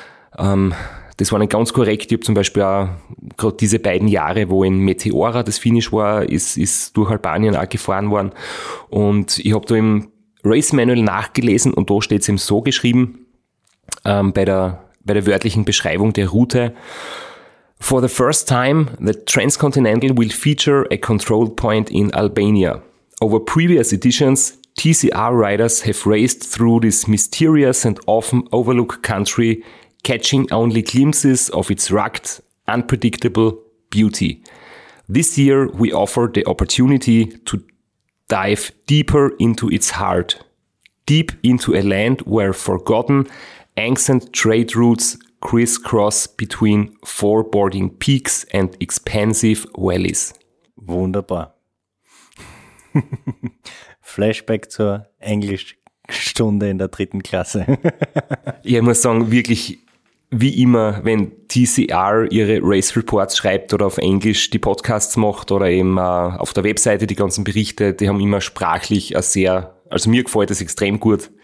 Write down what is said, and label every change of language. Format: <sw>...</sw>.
<de>Das war nicht ganz korrekt. Ich habe zum Beispiel auch gerade diese beiden Jahre, wo in Meteora das Finish war, ist durch Albanien auch gefahren worden. Und ich habe da im Race Manual nachgelesen und da steht es eben so geschrieben, bei der wörtlichen Beschreibung der Route:</de> <en>For the first time, the Transcontinental will feature a control point in Albania. Over previous editions, TCR riders have raced through this mysterious and often overlooked country, catching only glimpses of its rugged, unpredictable beauty. This year, we offer the opportunity to dive deeper into its heart, deep into a land where forgotten, ancient trade routes crisscross between four boarding peaks and expansive valleys.</en> <de>Wunderbar. Flashback zur Englischstunde in der 3. Klasse. Ich muss sagen, wirklich, wie immer, wenn TCR ihre Race Reports schreibt oder auf Englisch die Podcasts macht oder eben auf der Webseite die ganzen Berichte, die haben immer sprachlich also mir gefällt das extrem gut.</de>